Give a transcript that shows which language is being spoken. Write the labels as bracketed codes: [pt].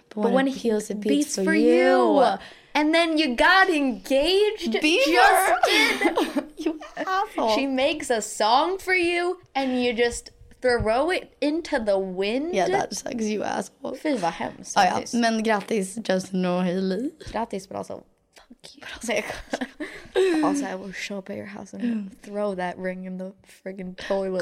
[en] But when it heals, it beats for you. And then you got engaged, Justin. You asshole. She makes a song for you, and you just... throw it into the wind. Yeah, that sucks, you asshole. [sv] Fy, vad hemskt. Ah, ja. Men grattis, Justin och Hailey. [en] Grattis, but also, fuck you. But also, also, I will show up at your house and throw that ring in the friggin' toilet.